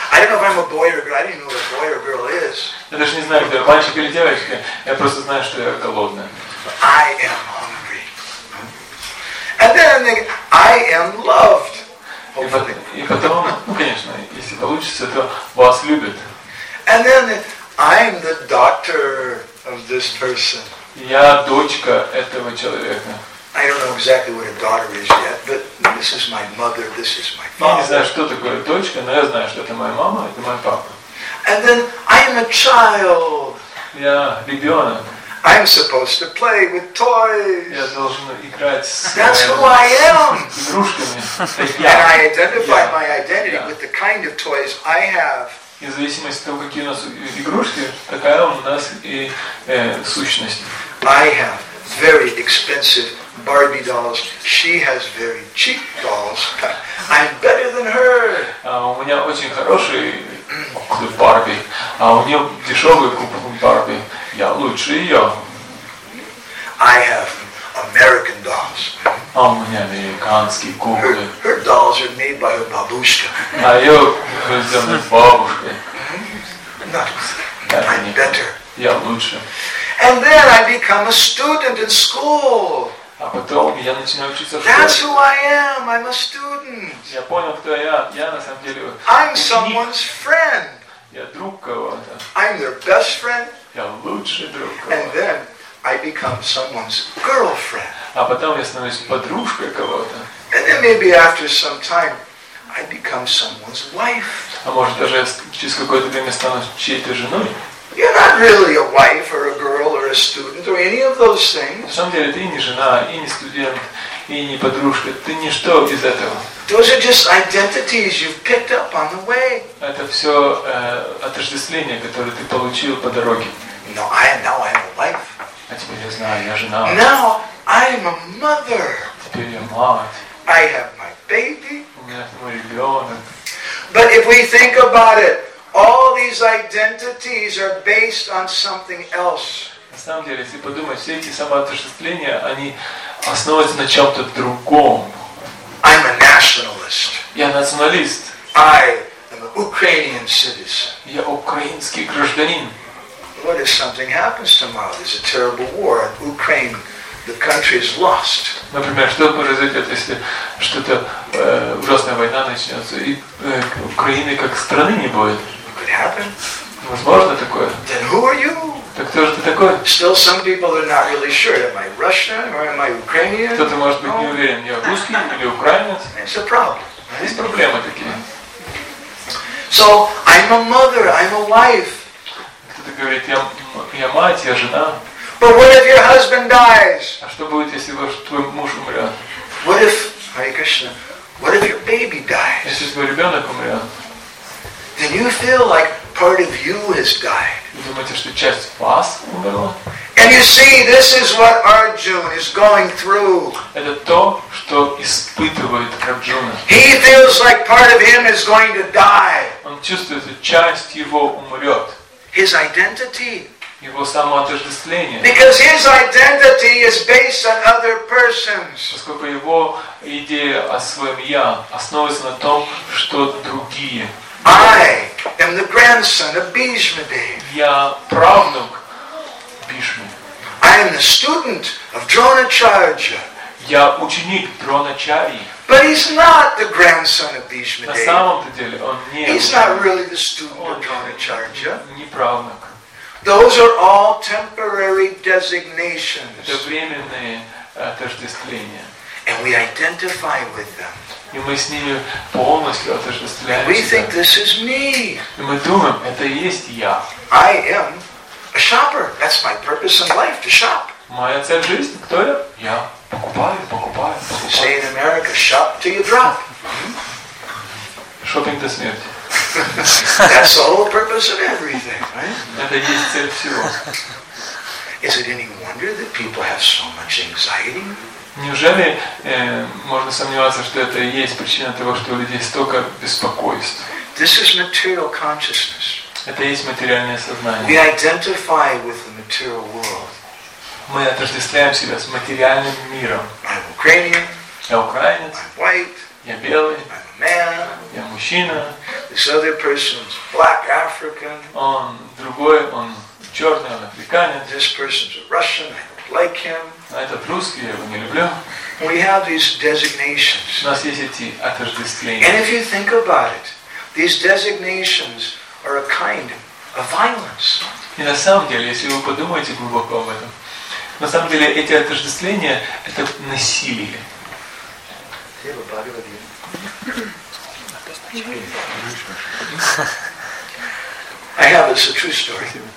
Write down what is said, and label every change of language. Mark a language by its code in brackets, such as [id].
[en] I don't know if I'm a boy or girl. I didn't know what a boy or girl is. [ru] Я даже не знаю, кто я, мальчик или девочка. Я просто знаю, что я голодная. [en] I am hungry. And then I think I am loved. [ru] И потом, ну конечно, если получится, то вас любят. [en] And then I'm the daughter of this person. [ru] Я дочка этого человека. [en] I don't know exactly what a daughter is yet, but this is my mother, this is my father. [ru] Я не знаю, что такое дочка, но я знаю, что это моя мама, это мой папа. [en] And then I am a child. [ru] Я ребенок. [en] I'm supposed to play with toys. [ru] Я должен играть с [en] That's who I am. [ru] Игрушками. [en] And I identify my identity with the kind of toys I have. [ru] И в зависимости от того, какие у нас игрушки, такая у нас и сущность. [en] I have very expensive Barbie dolls. She has very cheap dolls. I'm better than her. [ru] У меня очень хороший Барби, а у нее дешевый купон Барби. Я лучше ее. [en] I have American dolls. [ru] А у меня американские куклы. [en] Her dolls are made by her бабушка. [ru] А ее сделаны бабушкой. [en] I'm better. [ru] Я лучше. [en] And then I become a student in school. [ru] А потом я начинаю учиться в школе. [en] That's who I am. I'm a student. [ru] Я понял, кто я. Я на самом деле. [en] I'm someone's friend. [ru] Я друг кого-то. [en] I'm their best friend. [ru] Я лучший друг кого-то. [en] And then I become someone's girlfriend. [ru] А потом я становлюсь подружкой кого-то. [en] And then maybe after some time, I become someone's wife. [ru] А может даже через какое-то время стану чьей-то женой? [en] You're not really a wife or a girl or a student or any of those things. [ru] На самом деле ты не жена, и не студент, и не подружка. Ты ничто без этого. [en] Those are just identities you've picked up on the way. [ru] Это все отождествления, которые ты получил по дороге. [en] No, I am now I'm a wife. [ru] А теперь я знаю, я жена. [en] Now I'm a mother. [ru] Теперь я мать. [en] I have my baby. [ru] У меня мой ребенок. [en] But if we think about it, all these identities are based on something else. [ru] На самом деле, если подумать, все эти самоотождествления, они основываются на чем-то другом. [en] I'm a nationalist. [ru] Я националист. [en] I am an Ukrainian citizen. [ru] Я украинский гражданин. [en] What if something happens tomorrow? There's a terrible war in Ukraine. The country is lost. [ru] Например, что произойдет, если что-то ужасная война начнется и Украины как страны не будет? [en] Could happen. [ru] Возможно такое. [en] Then who are you? [ru] Так кто же ты такой? [en] Still some people are not really sure. Am I Russian or am I Ukrainian? [ru] Кто-то может быть не уверен, я русский или украинец. [en] It's a problem. [ru] Есть проблемы такие. [en] So I'm a mother. I'm a wife. [ru] Кто-то говорит, я мать, я жена. [en] But what if your husband dies? [ru] А что будет, если твой муж умрет? [en] What if, Hare Krishna, what if your baby dies? [ru] Если твой ребенок умрет. [en] Then you feel like part of you has died. [ru] Вы думаете, что часть вас умерла? [en] And you see, this is what Arjuna is going through. [ru] Это то, что испытывает Арджуна. [en] He feels like part of him is going to die. [ru] Он чувствует, что часть его умрет. [en] His identity. [ru] Его самоотождествление. [en] Because his identity is based on other persons. [ru] Поскольку его идея о своем я основывается на том, что другие. [en] I am the grandson of Bhishma Dev. [ru] Я правнук Бишмы. [en] I am the student of Dronacharya. [ru] Я ученик Дроначарьи. [en] But he's not the grandson of Bhishma Dev. [ru] На самом деле он не. [en] He's not really the student of Dronacharya. [ru] Не правнук. [en] Those are all temporary designations. [ru] Это временные отождествления. [en] And we identify with them. [ru] И мы с ними полностью отождествляемся. [en] We think this is me. [ru] И мы думаем, это есть я. [en] I am a shopper. That's my purpose in life, to shop. [ru] Моя цель в жизни, кто я? Я покупаю. [en] Say in America, shop till you drop. [ru] Шопинг до смерти. [en] That's the whole purpose of everything, right? [ru] Это есть цель всего. [en] Is it any wonder that people have so much anxiety? [ru] Неужели можно сомневаться, что это и есть причина того, что у людей столько беспокойств? [en] This is material consciousness. [ru] Это и есть материальное сознание. [en] We identify with the material world. [ru] Мы отождествляем себя с материальным миром. [en] I'm Ukrainian. [ru] Я украинец. [en] I'm white. [ru] Я белый. [en] I'm a man. [ru] Я мужчина. [en] This other person is black African. [ru] Он другой, он черный, он африканец. [en] This person is a Russian. I don't like him. [ru] А этот русский, я его не люблю. [en] We have these designations. [ru] У нас есть эти отождествления. [en] And if you think about it, these designations are a kind of violence. [ru] И на самом деле, если вы подумаете глубоко об этом, на самом деле эти отождествления — это насилие. [en] I have a true story.